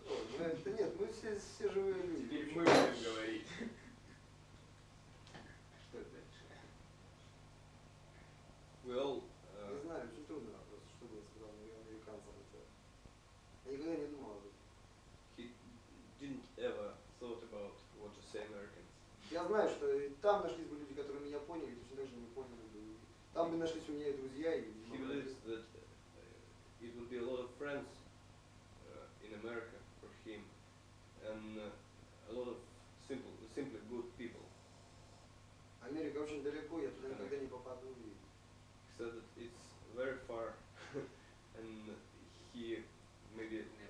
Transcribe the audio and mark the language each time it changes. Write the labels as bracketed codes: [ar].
[ru] такое? Да нет, мы все живые люди. Теперь мы будем говорить. Что дальше? [en] Well. [ru] Не знаю, очень трудный вопрос, что бы я сказал американцам. Я никогда не думал об этом. [en] He didn't ever thought about what to say Americans. [ru] Я знаю, что там нашлись бы люди, которые меня поняли, точно так же не поняли бы. Там бы нашлись у меня и друзья, и... [en] He believes that it would be a lot of friends in America for him, and a lot of simply good people. [ru] Америка очень далеко, я туда никогда не попаду. [en] He said that it's very far, and he maybe...